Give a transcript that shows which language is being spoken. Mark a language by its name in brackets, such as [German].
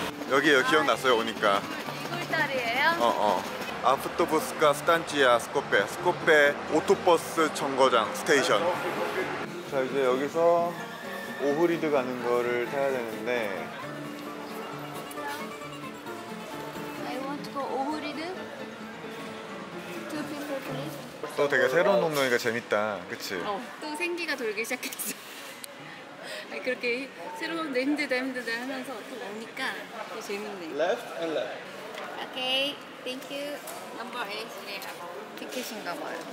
[Korean] 여기에요. 기억났어요. 오니까 이굴다리에요? 아프토부스카 스탄치아 스코페 스코페 오토버스 정거장 스테이션. 자 이제 여기서 오후리드 가는 거를 타야 되는데 [English] I want to go 오후리드 Two people please. [Korean] 또 되게 새로운 동네니까 재밌다. 그치? 또 생기가 돌기 시작했어. 그렇게 새로운데 힘들다 하면서 또 오니까 또 재밌네. [English] Left and left. Okay, thank you. Number 8 [Korean] 티켓인가 봐요.